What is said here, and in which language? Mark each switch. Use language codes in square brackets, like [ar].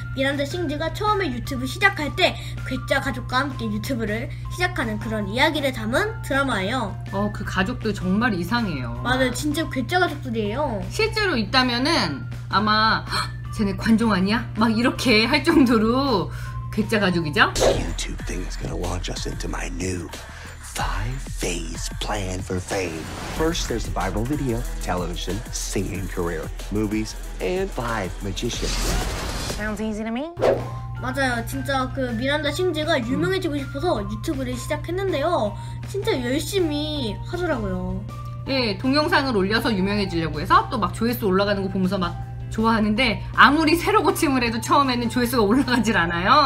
[ko] 미란다 싱즈가 처음에 유튜브 시작할 때 괴짜 가족과 함께 유튜브를 시작하는 그런 이야기를 담은 드라마예요. 그 가족들 정말 이상해요. 맞아요. 진짜 괴짜 가족들이에요. 실제로 있다면은 아마 쟤네 관종 아니야? 막 이렇게 할 정도로 괴짜 가족이죠? [en] YouTube thing is gonna launch us into my new 5-phase plan for fame. First, there's the viral video, television, singing career, movies, and 5 magicians. Sounds easy to me. [ko] 맞아요. 진짜 그 미란다 싱즈가 유명해지고 싶어서 유튜브를 시작했는데요. 진짜 열심히 하더라고요. 네, 동영상을 올려서 유명해지려고 해서 또 막 조회수 올라가는 거 보면서 막 좋아하는데 아무리 새로 고침을 해도 처음에는 조회수가 올라가질 않아요.